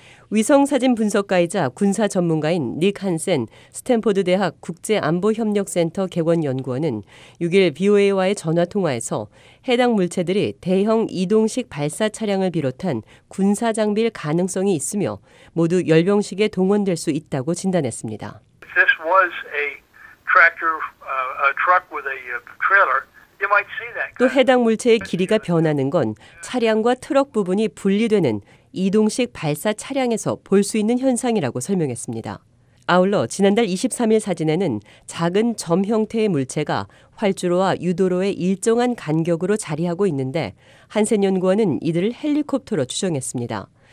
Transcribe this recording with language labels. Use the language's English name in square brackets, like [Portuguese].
[Korean] 위성사진 분석가이자 군사 전문가인 닉 한센 스탠포드 대학 국제안보협력센터 개원연구원은 6일 VOA와의 전화통화에서 해당 물체들이 대형 이동식 발사차량을 비롯한 군사장비일 가능성이 있으며 모두 열병식에 동원될 수 있다고 진단했습니다. [English] This was a tractor, a truck with a trailer. [Korean] 또 해당 물체의 길이가 변하는 건 차량과 트럭 부분이 분리되는 이동식 발사 차량에서 볼 수 있는 현상이라고 설명했습니다. 아울러 지난달 23일 사진에는 작은 점 형태의 물체가 활주로와 유도로의 일정한 간격으로 자리하고 있는데 한센 연구원은 이들을 헬리콥터로 추정했습니다.